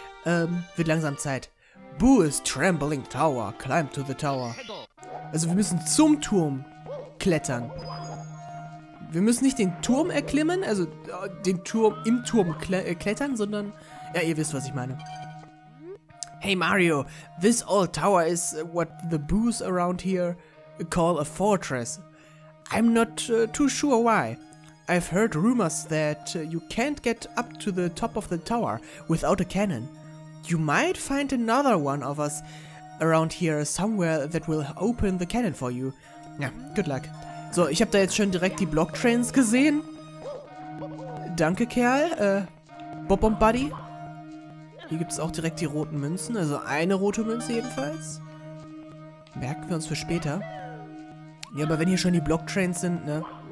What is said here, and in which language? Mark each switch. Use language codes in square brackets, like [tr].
[de] Wird langsam Zeit. [en] Boo's Trembling Tower. Climb to the tower. [de] Also wir müssen zum Turm klettern. Wir müssen nicht den Turm erklimmen, also den Turm im Turm klettern, sondern... Ja, ihr wisst, was ich meine. [en] Hey Mario, this old tower is what the Boos around here call a fortress. I'm not too sure why. I've heard rumors that you can't get up to the top of the tower without a cannon. You might find another one of us around here somewhere that will open the cannon for you. Yeah, good luck. [de] So, ich habe da jetzt schon direkt die Blocktrains gesehen. Danke, Kerl. Bob-Bomb Buddy. Hier gibt es auch direkt die roten Münzen. Also eine rote Münze jedenfalls. Merken wir uns für später. Ja, aber wenn hier schon die Blocktrains sind, ne?